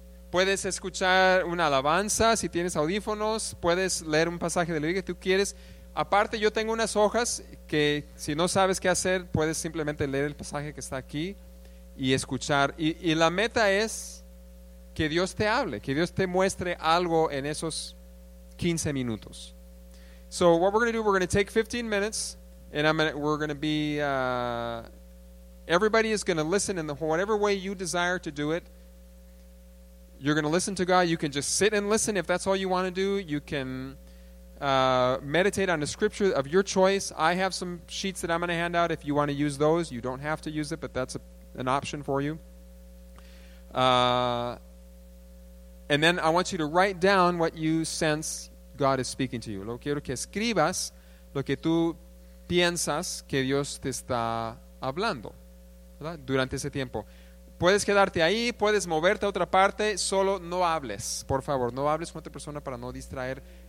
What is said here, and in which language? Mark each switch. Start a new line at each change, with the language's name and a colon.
Spanish: Puedes escuchar una alabanza si tienes audífonos, puedes leer un pasaje de la Biblia que tú quieres. Aparte, yo tengo unas hojas que si no sabes qué hacer, puedes simplemente leer el pasaje que está aquí y escuchar. Y la meta es que Dios te hable, que Dios te muestre algo en esos 15 minutos.
English: So what we're going to do, we're going to take 15 minutes, and everybody is going to listen in the whatever way you desire to do it. You're going to listen to God. You can just sit and listen if that's all you want to do. You can meditate on a scripture of your choice. I have some sheets that I'm going to hand out if you want to use those. You don't have to use it, but that's an option for you. And then I want you to write down what you sense God is speaking to you.
Spanish: Lo quiero que escribas lo que tú piensas que Dios te está hablando, ¿verdad? Durante ese tiempo. Puedes quedarte ahí, puedes moverte a otra parte, solo no hables, por favor. No hables con otra persona para no distraer.